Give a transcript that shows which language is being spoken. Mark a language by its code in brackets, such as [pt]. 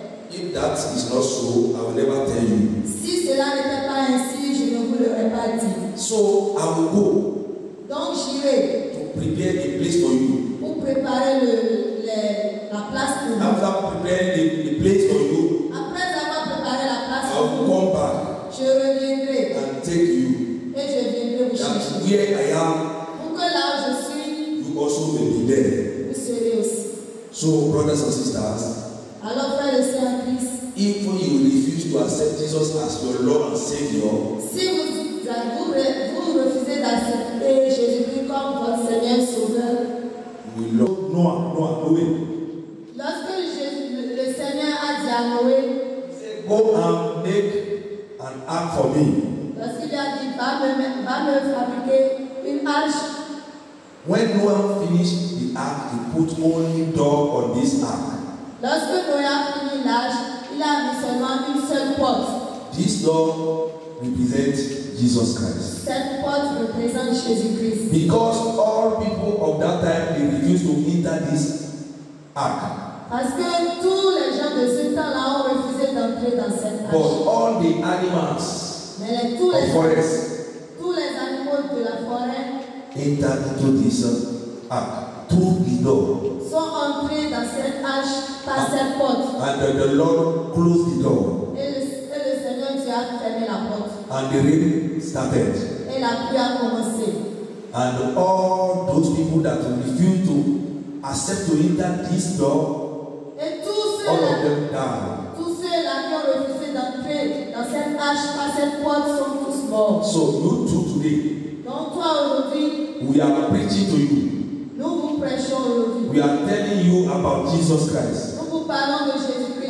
[en] If that is not so, I will never tell you. [fr] Si cela n'était pas ainsi, je ne vous l'aurais pas dit. [en] So I will go. [fr] Donc j'irai. [en] To prepare the place for you. [fr] Pour préparer la place pour vous. [en] After preparing the place for you. [fr] Après avoir préparé la place pour vous. [en] I will come back. [fr] Je reviendrai. [en] And take you. [fr] Et je viendrai vous chercher. [en] Where I am. [fr] Pour que là où je suis. [en] You also may be there. [fr] Vous serez aussi. [en] So, brothers and sisters, [fr] alors, frères et sœurs, [en] if you refuse to accept Jesus as your Lord and Savior, [fr] si vous refusez d'accepter Jésus-Christ comme votre Seigneur Sauveur, [en] we love Noah, Noé. [fr] Lorsque le Seigneur a dit à Noé, [en] go and make an ark for me. [fr] Lorsqu'il a dit, va me fabriquer une arche. [en] When Noah finished the ark, he put only dog on this ark. [fr] Lorsque Noé a fini l'arche, il a mis seulement une seule porte. [en] This dog represents Jesus Christ. [fr] Cette porte représente Jésus-Christ. [en] Because all people of that time they refused to enter this ark. [fr] Parce que tous les gens de ce temps-là ont refusé d'entrer dans cette arche. [en] But all the animals of the forest, [fr] tous les animaux de la forêt, [en] entered into this ark through the door. [fr] Sont entrés dans cette arche par cette porte. [en] And the Lord closed the door. [fr] Et le Seigneur Dieu a fermé la porte. [en] And the rain started. [fr] Et la pluie a commencé. [en] And all those people that refused to accept to enter this door, [fr] et [en] all of them died. [fr] Tous ceux-là qui ont refusé d'entrer dans cette arche par cette porte sont tous morts. [en] So you too today. [fr] Donc toi aujourd'hui. [en] We are preaching to you. [fr] Nous vous prêchons aujourd'hui. [en] We are telling you about Jesus Christ. [fr] Nous vous parlons de Jésus-Christ.